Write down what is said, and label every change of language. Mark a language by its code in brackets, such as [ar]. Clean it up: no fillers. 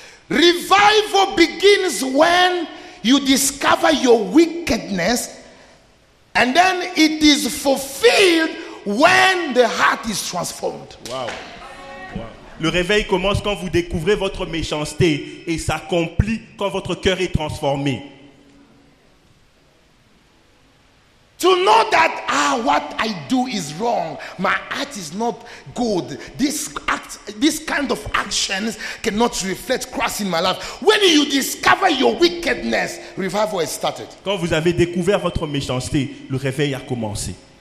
[en] Revival begins when you discover your wickedness, and then it is fulfilled when the heart is transformed. Wow. [fr] Le réveil commence quand vous découvrez votre méchanceté et s'accomplit quand votre cœur est transformé. [en] To know that what I do is wrong, my act is not good. This kind of actions cannot reflect Christ in my life. When you discover your wickedness, revival has started. [fr] Quand vous avez découvert votre méchanceté, le réveil a commencé.